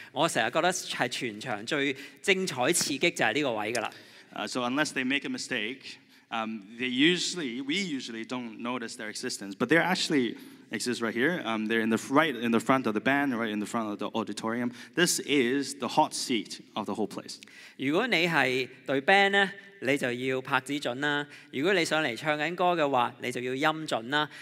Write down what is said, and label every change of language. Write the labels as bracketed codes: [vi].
[yue] 我成日覺得係全場最精彩刺激就係呢個位噶啦。 [en] So unless they make a mistake. We usually don't notice their existence, but they actually exist right here. They're in the right in the front of the band, right in the front of the auditorium. This is the hot seat of the whole place. [yue] 如果你係隊 band 咧，你就要拍子準啦。如果你上嚟唱緊歌嘅話，你就要音準啦。